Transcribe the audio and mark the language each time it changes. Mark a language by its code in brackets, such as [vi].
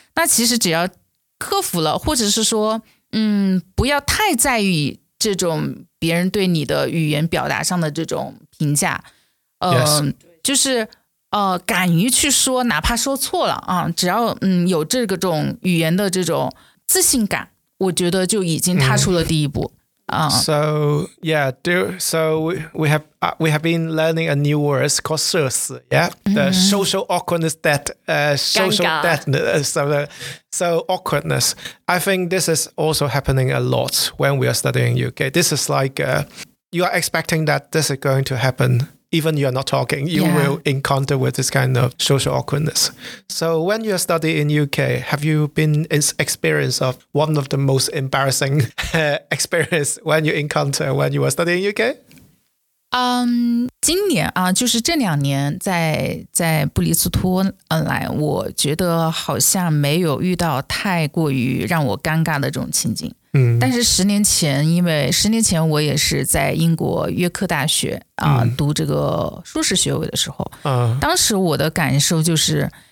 [zh] 那其实只要克服了，或者是说不要太在意这种别人对你的语言表达上的这种评价，就是敢于去说，哪怕说错了啊，只要有这个种语言的这种自信感，我觉得就已经踏出了第一步。 [en] So yeah, we have been learning a new word called SERS, yeah, the social awkwardness debt, social deadness, so awkwardness. I think this is also happening a lot when we are studying UK. This is like you are expecting that this is going to happen. Even you are not talking, you will encounter with this kind of social awkwardness. So when you are studying in UK, have you been experience of one of the most embarrassing experience when you encounter when you are studying in UK? [zh] 今年啊，就是这两年在布里斯托来，我觉得好像没有遇到太过于让我尴尬的这种情景。但是十年前我也是在英国约克大学啊读这个硕士学位的时候，当时我的感受就是